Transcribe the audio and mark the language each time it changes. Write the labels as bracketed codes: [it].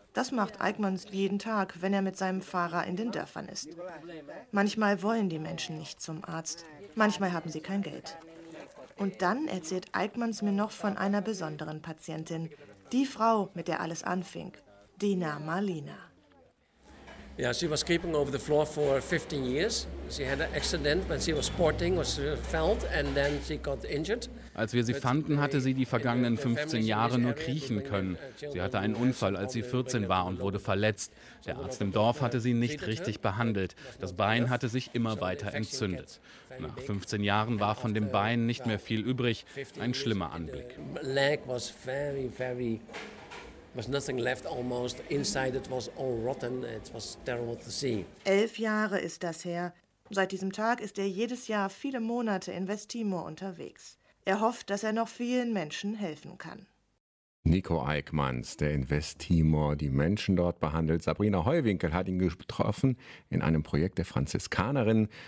[de] Das macht Eichmann jeden Tag, wenn er mit seinem Fahrer in den Dörfern ist. Manchmal wollen die Menschen nicht zum Arzt, manchmal haben sie kein Geld. Und dann erzählt Eichmann mir noch von einer besonderen Patientin, die Frau, mit der alles anfing, Dina Marlina. [en] Yeah, she was creeping over the floor for 15 years. She had an accident when she was sporting or she fell and then she got injured. [de] Als wir sie fanden, hatte sie die vergangenen 15 Jahre nur kriechen können. Sie hatte einen Unfall, als sie 14 war und wurde verletzt. Der Arzt im Dorf hatte sie nicht richtig behandelt. Das Bein hatte sich immer weiter entzündet. Nach 15 Jahren war von dem Bein nicht mehr viel übrig. Ein schlimmer Anblick. [en] Leg was very very was nothing left almost inside it was all rotten it was terrible to see. [de] 11 Jahre ist das her. Seit diesem Tag ist er jedes Jahr viele Monate in Westtimor unterwegs. Er hofft, dass er noch vielen Menschen helfen kann. Nico Eichmanns, der in Westtimor die Menschen dort behandelt. Sabrina Heuwinkel hat ihn getroffen in einem Projekt der Franziskanerinnen.